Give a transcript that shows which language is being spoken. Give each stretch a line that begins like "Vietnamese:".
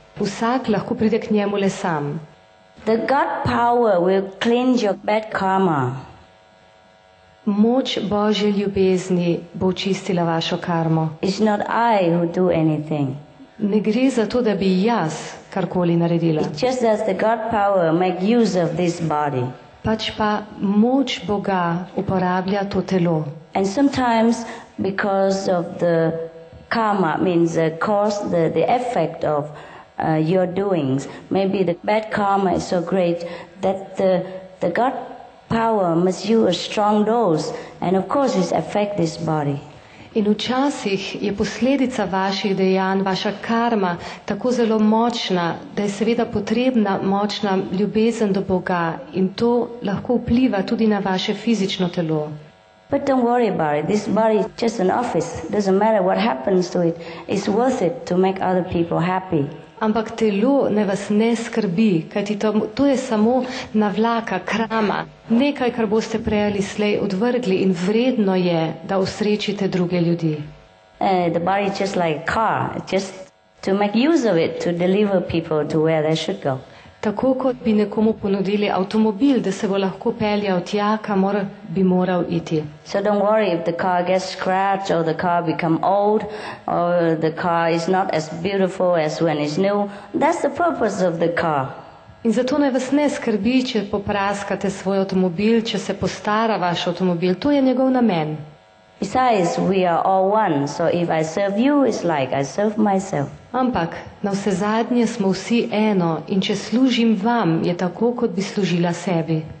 Slovenian: Vsak lahko pride k njemu le sam.
English: The God power will cleanse your bad karma.
Slovenian: Moč Božje ljubezni bo očistila vašo karmo.
English: It's not I who do anything.
Slovenian: Ne gre za to, da bi jaz karkoli naredila.
English: It's just that the God power make use of this body.
Slovenian: Pač pa moč Boga uporablja to telo.
English: And sometimes because of the karma, means the cause, the effect of your doings, maybe the bad karma is so great that the God power must use a strong dose and of course it affect this body.
Slovenian: In včasih je posledica vaših dejanj, vaša karma, tako zelo močna, da je seveda potrebna močna ljubezen do Boga in to lahko vpliva tudi na vaše fizično telo.
English: But don't worry about it. This body is just an office. Doesn't matter what happens to it. It's worth it to make other people happy.
Slovenian: Ampak telo ne vas ne skrbi, kajti to je samo navlaka, krama, nekaj, kar boste prej ali slej odvrgli in vredno je, da osrečite druge ljudi.
English: The body is just like a car, just to make use of it, to deliver people to where they should go.
Slovenian: Tako kot bi nekomu ponudili avtomobil, da se bo lahko peljal tja, kamor bi moral iti.
English: So don't worry if the car gets scratched or the car become old or the car is not as beautiful as when it's new. That's the purpose of the car.
Slovenian: In zato naj vas ne skrbi, če popraskate svoj avtomobil, če se postara vaš avtomobil. To je njegov namen.
English: Besides, we are all one, so if I serve you, it's like I serve myself.
Slovenian: Ampak, na vse zadnje smo vsi eno in če služim vam, je tako, kot bi služila sebi.